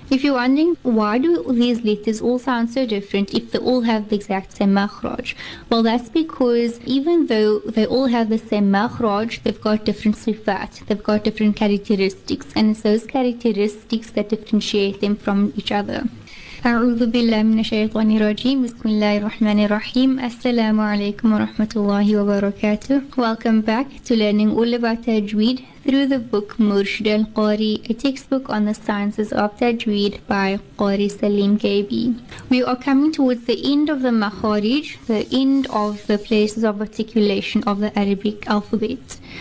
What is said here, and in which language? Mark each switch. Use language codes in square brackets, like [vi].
[en] If you're wondering, why do these letters all sound so different if they all have the exact same makhraj? Well, that's because even though they all have the same makhraj, they've got different sifat, they've got different characteristics, and it's those characteristics that differentiate them from each other. [ar] أعوذ بالله من الشيطان الرجيم بسم الله الرحمن الرحيم السلام عليكم ورحمة الله وبركاته. [en] Welcome back to learning all about Tajweed through the book Murshid al-Qari, a textbook on the sciences of Tajweed by Qari Salim KB. We are coming towards the end of the Makharij, the end of the places of articulation of the Arabic alphabet.